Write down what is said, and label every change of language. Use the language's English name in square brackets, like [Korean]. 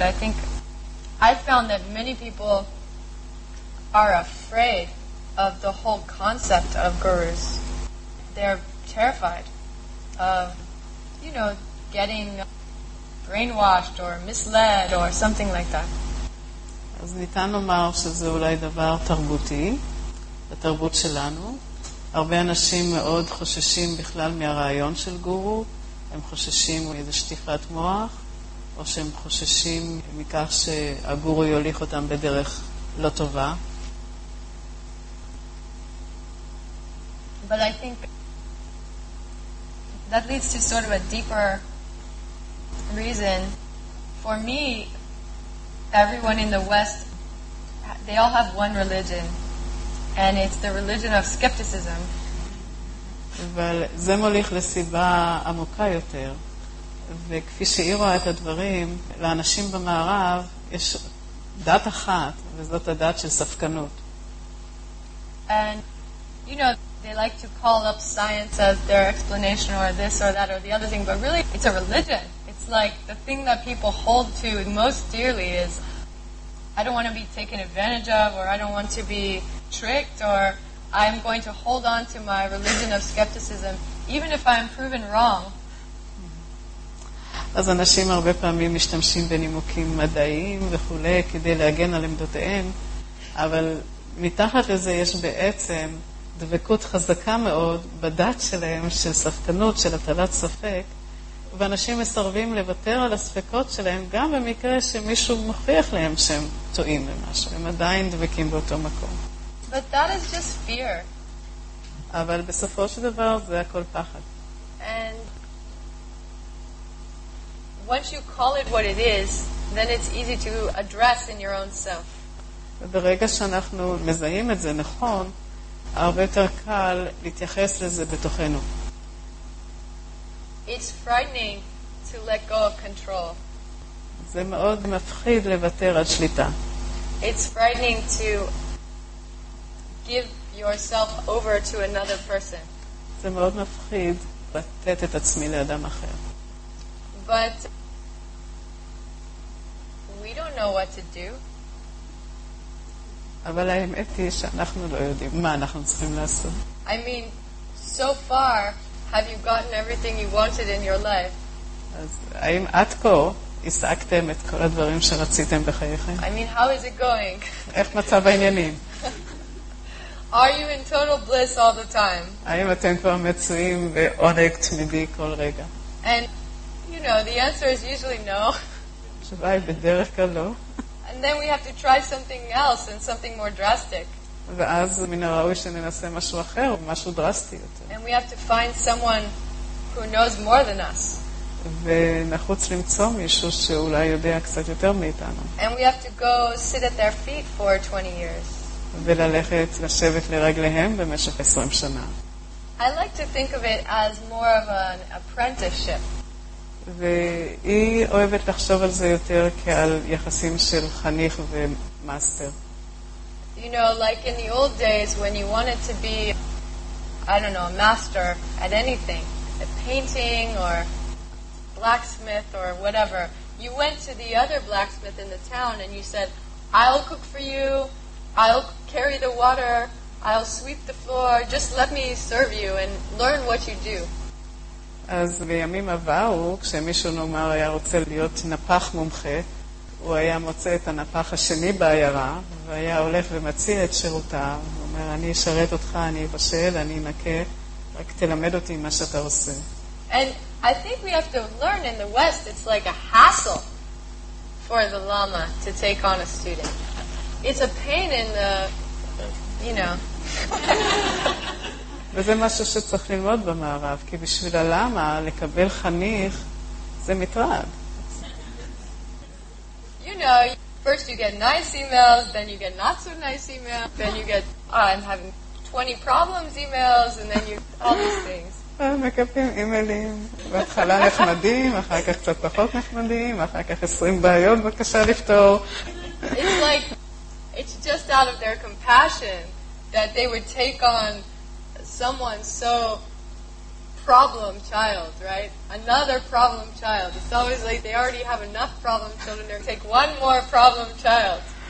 [English] I think I found that many people are afraid of the whole concept of gurus. They're terrified of, you know, getting brainwashed or misled or something like that. [Hebrew] אז ניתן לומר שזה אולי דבר תרבותי, בתרבות שלנו. הרבה אנשים מאוד חוששים בכלל מהרעיון של גורו, הם חוששים מאיזה שטיפת מוח, או שהם חוששים מכך שהגורו יוליך אותם בדרך לא טובה. [English] But I think that leads to sort of a deeper reason. For me, everyone in the West, they all have one religion, and it's the religion of skepticism. [Hebrew] אבל זה מוליך לסיבה עמוקה יותר, וכפי שהיא רואה את הדברים, לאנשים במערב יש דת אחת, וזאת הדת של ספקנות. [English] And you know, they like to call up science as their explanation or this or that or the other thing, but really it's a religion. It's like the thing that people hold to most dearly is, I don't want to be taken advantage of, or I don't want to be tricked, or I'm going to hold on to my religion of skepticism, even if I'm proven wrong. [Hebrew] אז אנשים הרבה פעמים משתמשים בנימוקים מדעיים וכולי כדי להגן על עמדותיהם, אבל מתחת לזה יש בעצם דבקות חזקה מאוד בדת שלהם, של ספקנות, של הטלת ספק, ואנשים מסרבים לוותר על הספקות שלהם גם במקרה שמישהו מוכיח להם שהם טועים למשהו, הם עדיין דבקים באותו מקום. [English] But that is just fear. [Hebrew] אבל בסופו של דבר זה הכל פחד. [English] And once you call it what it is, then it's easy to address in your own self. [Hebrew] ברגע שאנחנו מזהים את זה נכון, הרבה יותר קל להתייחס לזה בתוכנו. [English] It's frightening to let go of control. [Hebrew] זה מאוד מפחיד לוותר על שליטה. [English] It's frightening to give yourself over to another person. [Hebrew] זה מאוד מפחיד לתת את עצמי לאדם אחר. [English] But we don't know what to do. [Hebrew] אבל האמת היא שאנחנו לא יודעים מה אנחנו צריכים לעשות. [English] I mean, so far, have you gotten everything you wanted in your life? [Hebrew] אז האם עד כה השגתם את כל הדברים שרציתם בחייכם? [English] I mean, how is it going? [Hebrew] איך מצב העניינים? [English] Are you in total bliss all the time? [Hebrew] האם אתם כבר מצויים בעונג תמידי כל רגע? [English] And, you know, the answer is usually no. [Hebrew] התשובה היא בדרך כלל לא. [English] And then we have to try something else and something more drastic. [Hebrew] ואז מן הראוי שננסה משהו אחר, משהו דרסטי יותר. [English] And we have to find someone who knows more than us. [Hebrew] ונחוץ למצוא מישהו שאולי יודע קצת יותר מאיתנו. [English] And we have to go sit at their feet for 20 years. [Hebrew] וללכת לשבת לרגליהם במשך 20 שנה. [English] I like to think of it as more of an apprenticeship. [Hebrew] והיא אוהבת לחשוב על זה יותר כעל יחסים של חניך ומאסטר. [English] You know, like in the old days when you wanted to be, I don't know, a master at anything, a painting or blacksmith or whatever, you went to the other blacksmith in the town and you said, I'll cook for you, I'll carry the water, I'll sweep the floor, just let me serve you and learn what you do. [Hebrew] אז בימים עברו, כשמישהו נאמר היה רוצה להיות נפח מומחה, הוא היה מוצא את הנפח השני בעיירה, והיה הולך ומציע את שירותה, הוא אומר, אני אשרת אותך, אני אבשל, אני אנקה, רק תלמד אותי מה שאתה עושה. [English] And I think we have to learn in the West, it's like a hassle for the Lama to take on a student. It's a pain in the, you know... [Hebrew] וזה משהו שצריך ללמוד במערב, כי בשביל הלמה לקבל חניך זה מטרד. [English] You know, first you get nice emails, then you get not so nice emails, then you get, oh, I'm having 20 problems emails, and then you, all these things. [Hebrew] מקפים אימיילים, בהתחלה נחמדים, אחר כך קצת פחות נחמדים, אחר כך 20 בעיות בקשה לפתור. [English] It's just out of their compassion that they would take on someone so problem child, right? Another problem child. It's always like they already have enough problem children, they take one more problem child.